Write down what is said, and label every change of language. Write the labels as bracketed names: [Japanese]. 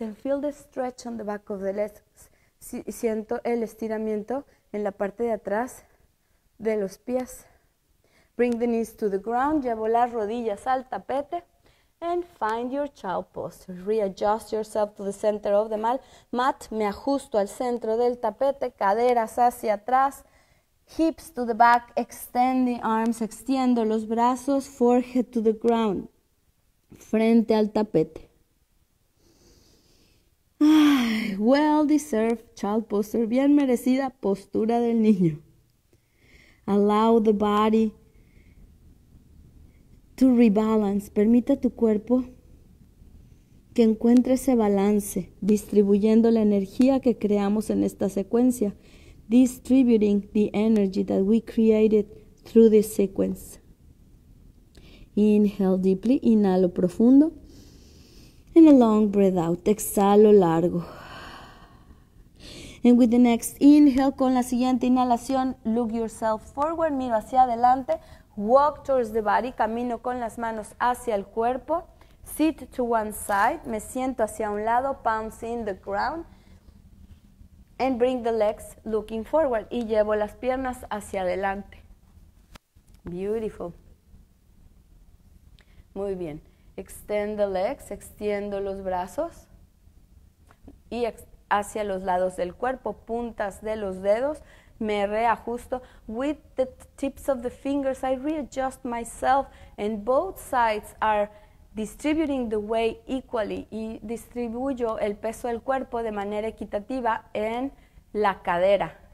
[English] And feel the stretch on the back of the legs. [Spanish] Siento el estiramiento en la parte de atrás de los pies. [English] Bring the knees to the ground. [Spanish] Llevo las rodillas al tapete. [English] And find your child posture. Readjust yourself to the center of the mat. [Spanish] Me ajusto al centro del tapete. Caderas hacia atrás. [English] Hips to the back. Extend the arms. [Spanish] Extiendo los brazos. [English] Forehead to the ground. [Spanish] Frente al tapete. [English] Well deserved child posture, [Spanish] bien merecida postura del niño. [English] Allow the body to rebalance. [Spanish] Permita tu cuerpo que encuentre ese balance, distribuyendo la energía que creamos en esta secuencia. [English] Distributing the energy that we created through this sequence. Inhale deeply, [Spanish] inhalo profundo. [English] And a long breath out, [Spanish] exhalo largo. [English] And with the next inhale, [Spanish] con la siguiente inhalación, [English] look yourself forward, [Spanish] miro hacia adelante, [English] walk towards the body, [Spanish] camino con las manos hacia el cuerpo, [English] sit to one side, [Spanish] me siento hacia un lado, [English] palms in the ground, and bring the legs looking forward, [Spanish] y llevo las piernas hacia adelante. [English] Beautiful. [Spanish] Muy bien. [English] Extend the legs, [Spanish] extiendo los brazos y hacia los lados del cuerpo, puntas de los dedos, me reajusto. [English] With the tips of the fingers, I readjust myself and both sides are distributing the weight equally. [Spanish] Y distribuyo el peso del cuerpo de manera equitativa en la cadera.